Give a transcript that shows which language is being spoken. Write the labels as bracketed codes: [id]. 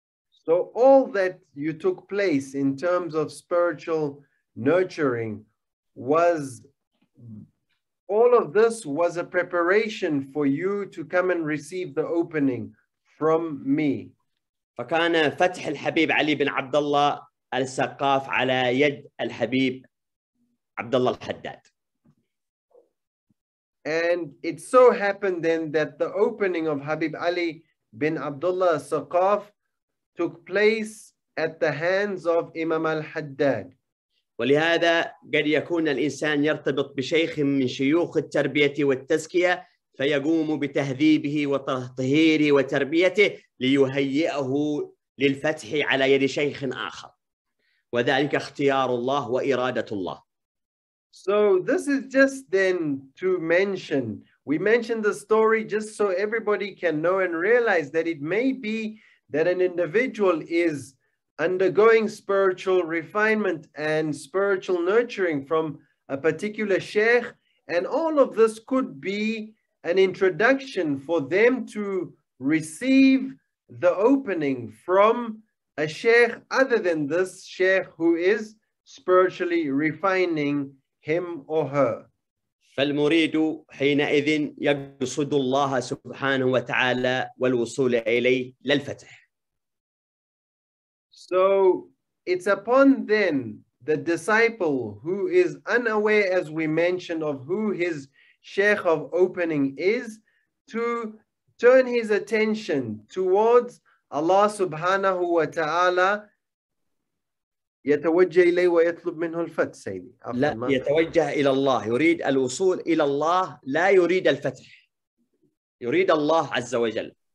[en] So all that you took place in terms of spiritual nurturing was all of this was a preparation for you to come and receive the opening from me. [ar] فكان فتح الحبيب علي بن عبد الله السقاف على يد الحبيب عبد الله الحداد. [en] And it so happened then that the opening of Habib Ali bin Abdullah Al Saqqaf took place at the hands of Imam al-Haddad. [ar] ولهذا قد يكون الإنسان يرتبط بشيخ من شيوخ التربية والتزكية فيقوم بتهذيبه وتطهيره وتربيته ليهيئه للفتح على يد شيخ آخر وذلك اختيار الله وإرادة الله. [en] So this is just then to mention. We mentioned the story just so everybody can know and realize that it may be that an individual is undergoing spiritual refinement and spiritual nurturing from a particular sheikh, and all of this could be an introduction for them to receive the opening from a sheikh other than this sheikh who is spiritually refining him or her. [ar] فالمريد حينئذ يقصد الله سبحانه وتعالى والوصول إليه للفتح. [en] So it's upon then the disciple who is unaware, as we mentioned, of who his sheikh of opening is, to turn his attention towards Allah subhanahu wa ta'ala. [ar] يتوجه إليه ويطلب منه الفتح سيدي. لا يتوجه إلى الله، يريد الوصول إلى الله، لا يريد الفتح، يريد الله عز وجل.